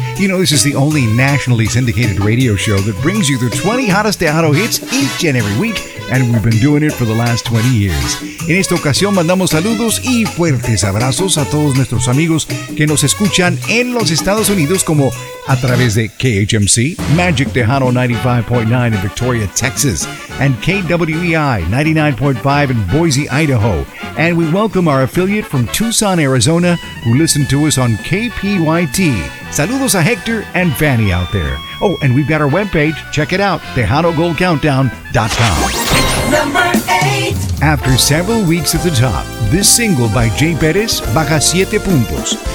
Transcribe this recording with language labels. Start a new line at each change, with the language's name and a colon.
English: You know, this is the only nationally syndicated radio show that brings you the 20 hottest Tejano hits each and every week, and we've been doing it for the last 20 years.
Spanish: En esta ocasión mandamos saludos y fuertes abrazos a todos nuestros amigos que nos escuchan en los Estados Unidos como a través de KHMC, Magic Tejano 95.9
English: in Victoria, Texas, and KWEI 99.5 in Boise, Idaho. And we welcome our affiliate from Tucson, Arizona, who listened to us on KPYT.
Spanish: Saludos a
English: Hector and Fanny out there. Oh, and we've got our webpage. Check it out, TejanoGoldCountdown.com. Number 8. After several weeks at the top, this single by Jay Perez
Spanish: baja 7 puntos.